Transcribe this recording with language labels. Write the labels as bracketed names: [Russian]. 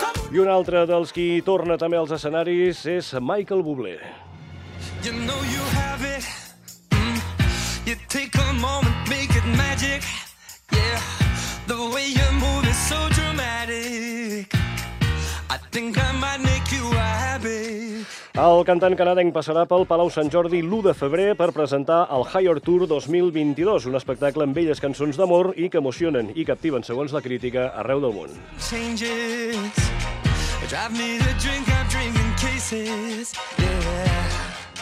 [Catalan] I un altre dels qui torna també als escenaris és Michael Bublé. [English] You know you have it. You take a moment, make it magic. Yeah. The way you move is so dramatic. I think I might make you a habit. [Catalan] El cantant canadenc passarà pel Palau Sant Jordi l'1 de febrer per presentar el Higher Tour 2022, un espectacle amb belles cançons d'amor i que emocionen i captiven, segons la crítica, arreu del món. [English] Changes drive me to drink, I'm drinking cases, yeah.